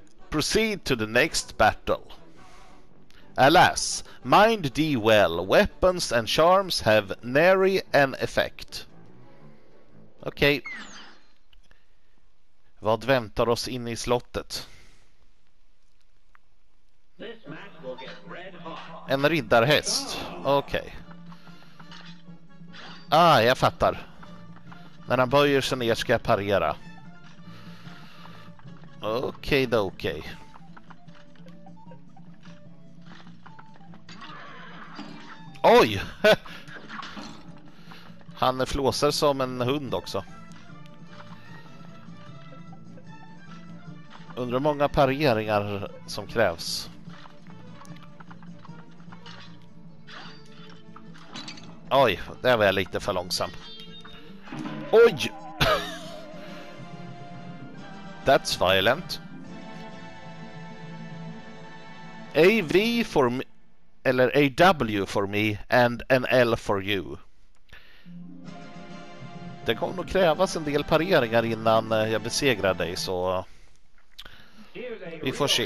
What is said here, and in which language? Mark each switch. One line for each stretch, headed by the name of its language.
English: Proceed to the next battle. Alas, mind thee well. Weapons and charms have nary an effect.
Swedish: Okej. Vad väntar oss inne i slottet? En riddarhäst. Okej. Ah, jag fattar. När han böjer sig ner ska jag parera. Okej då, okej. Oj! Han flåsar som en hund också. Undrar många pareringar som krävs. Oj, där var jag lite för långsam. Oj!
English: That's violent. AV for me,
Swedish: eller
English: AW for me and an L for you.
Swedish: Det kommer nog krävas en del pareringar innan jag besegrar dig, så vi får se.